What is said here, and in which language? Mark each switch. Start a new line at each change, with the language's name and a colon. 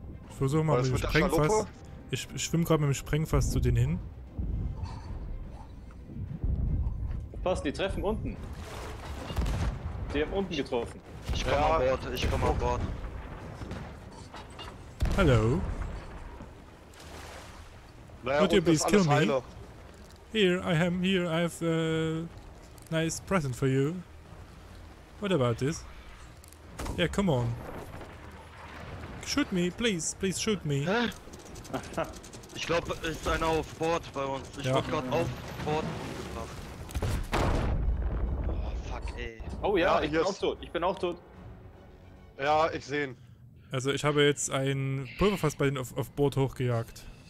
German: Ich versuche mal mit dem Sprengfass. Ich schwimme gerade mit dem Sprengfass zu denen hin. Passt, die treffen unten. Die haben unten getroffen. Ich komme an Bord, ich komme an Bord. Hallo.
English: Naja, would you please kill me?
German: Heile.
English: I have a nice present for you. What about this? Yeah, come on. Shoot me, please shoot me. Hä?
German: Ich glaube, ist einer auf Bord bei uns. Ich wurde gerade auf Bord gebracht.
English: Oh, fuck, ey.
German: Oh ja, ich bin auch tot. Ich bin auch tot. Ja, ich sehe ihn. Also, ich habe jetzt ein Pulverfass bei denen auf Bord hochgejagt.